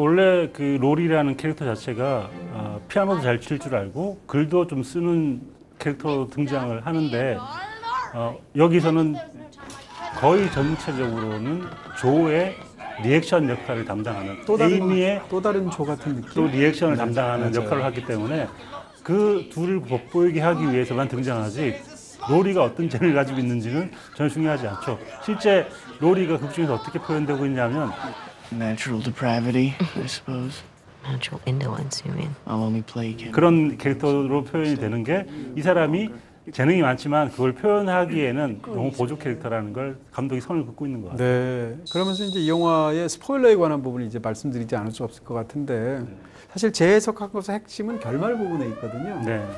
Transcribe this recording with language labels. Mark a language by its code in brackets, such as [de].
[ko] 원래 그 롤이라는 캐릭터 자체가 피아노도 잘 칠 줄 알고 글도 좀 쓰는 캐릭터로 등장을 하는데 여기서는 거의 전체적으로는 조의 리액션 역할을 담당하는 또 다른, 에이미의 또 다른 조 같은 느낌 또 리액션을 담당하는 맞아요. 역할을 하기 때문에 그 둘을 돋보이게 하기 위해서만 등장하지 로리가 어떤 재능을 가지고 있는지는 전혀 중요하지 않죠. 실제 로리가 극 중에서 어떻게 표현되고 있냐면 [en] Natural depravity, I suppose. Natural indolence, you mean? I'll only play again. [ko] 그런 캐릭터로 표현이 되는 게 이 사람이 재능이 많지만 그걸 표현하기에는 너무 보조 캐릭터라는 걸 감독이 선을 긋고 있는 것 같아요. 네. 그러면서 이제 이 영화의 스포일러에 관한 부분을 이제 말씀드리지 않을 수 없을 것 같은데 사실 재해석한 것의 핵심은 결말 부분에 있거든요. 네.